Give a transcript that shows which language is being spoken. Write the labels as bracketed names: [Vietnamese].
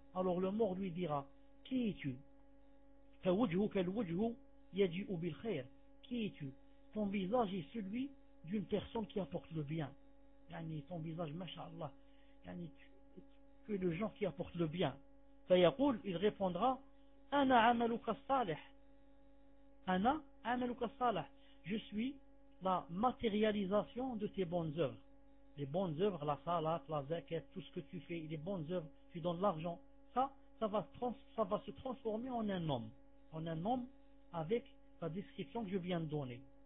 [French] Alors le mort lui dira, qui es-tu? [Arabic] فَوَجْهُكَ الْوَجْهُ يَجِئُ بِالْخَيْرِ. [French] Qui es-tu? Ton visage est celui d'une personne qui apporte le bien. يعني ton visage, mashallah. يعني que le gens qui apporte le bien. [Arabic] فيقول, [French] il répondra, [Arabic] أَنَا عَمَلُكَ الصَّالِحِ. أَنَا عَمَلُكَ الصَّالِحِ. [French] Je suis la matérialisation de tes bonnes œuvres. Les bonnes œuvres, la salat, la zakat, tout ce que tu fais, les bonnes œuvres, tu donnes l'argent. Ça va se transformer en un homme. En un homme avec la description que je viens de donner.